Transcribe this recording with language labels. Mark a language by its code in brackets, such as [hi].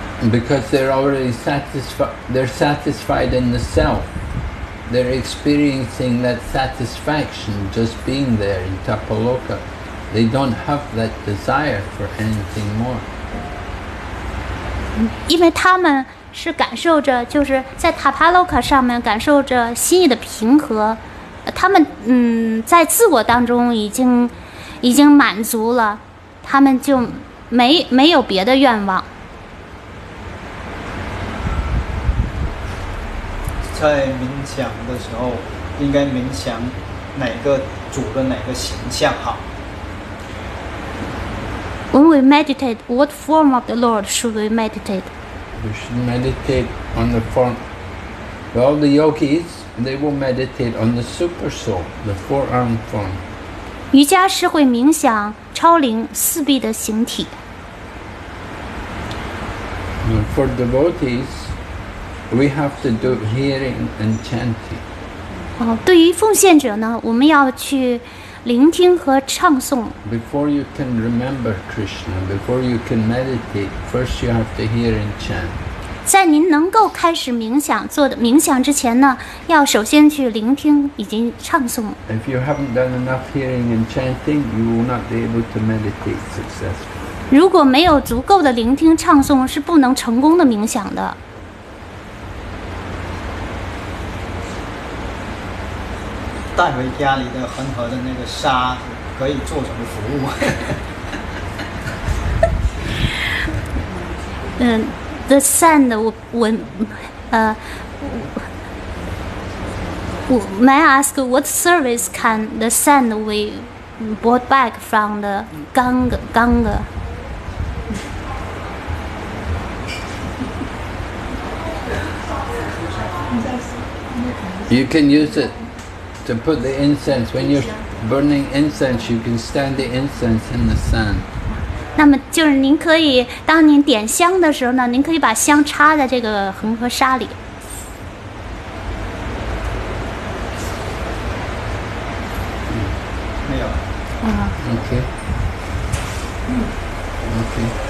[en] Because they're already they're satisfied in the self. They're experiencing that satisfaction just being there in Tapaloka. They don't have that desire for anything more. [zh] 因为他们是感受着就是在塔帕洛克上面感受着心意的平和，他们在自我当中已经满足了，他们就没有别的愿望。在冥想的时候，应该冥想哪个主的哪个形象好 [en] ？When we meditate, what form of the Lord should we meditate? We should meditate on the form. Well, the yogis they will meditate on the super soul, the four-armed form. [zh] 瑜伽师会冥想超灵四臂的形体。 [en] And for devotees. We have to do hearing and chanting. [zh] 对于奉献者呢，我们要去聆听和唱诵。 [en] Before you can remember Krishna, before you can meditate, first you have to hear and chant. [zh] 在您能够开始冥想做的冥想之前呢，要首先去聆听以及唱诵。 [en] If you haven't done enough hearing and chanting, you will not be able to meditate successfully. [zh] 如果没有足够的聆听唱诵，是不能成功的冥想的。带回家里的恒河的那个沙可以做什么服务？ [en] The sand when may I ask what service can the sand we brought back from the Ganga? You can use it. To put the incense, when you're burning incense, you can stand the incense in the sun. [zh] 那么就是您可以，当您点香的时候呢，您可以把香插在这个恒河沙里。没有。 [en] Okay. Okay.